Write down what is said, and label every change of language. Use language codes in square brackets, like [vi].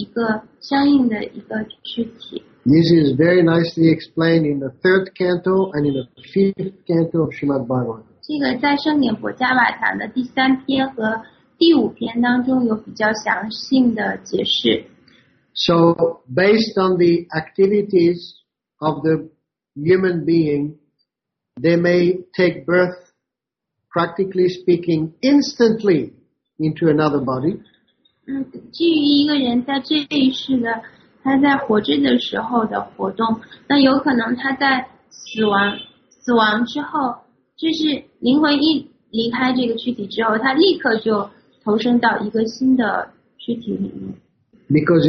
[en] This is very nicely explained in the third canto and in the fifth canto of Srimad Bhagavatam. [zh] 这个在圣严伯加瓦坛的第三篇和第五篇当中有比较详细的解释。 [en] So based on the activities of the human being, they may take birth, practically speaking, instantly into another body. [zh] 基于一个人在这一世的，他在活着的时候的活动，那有可能他在死亡之后，就是灵魂一离开这个躯体之后，他立刻就投身到一个新的躯体里面。 [en] Because